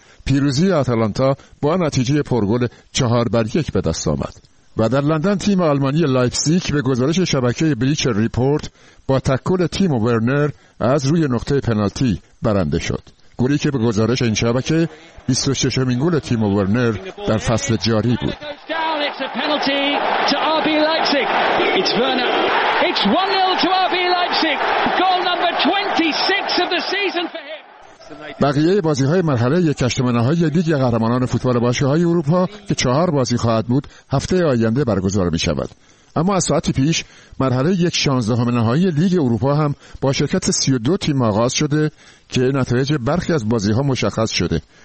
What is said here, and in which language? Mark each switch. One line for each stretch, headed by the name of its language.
Persian: پیروزی آتالانتا با نتیجه پرگل 4-1 به دست آمد. و در لندن تیم آلمانی لایپزیگ به گزارش شبکه بلیچر ریپورت با تکل تیم ورنر از روی نقطه پنالتی برنده شد. گلی که به گزارش این شبکه 26 گل تیم ورنر در فصل جاری بود.
English: It's 1-0 to RB Leipzig. Goal number 26 of the season for him.
Persian: بقیه بازی‌های مرحله یک هشتم نهایی لیگ قهرمانان فوتبال باشگاه‌های اروپا که 4 بازی خواهد بود، هفته آینده برگزار می‌شود. اما از ساعتی پیش مرحله 1/16 نهایی لیگ اروپا هم با شرکت 32 تیم آغاز شده که نتایج برخی از بازی‌ها مشخص شده.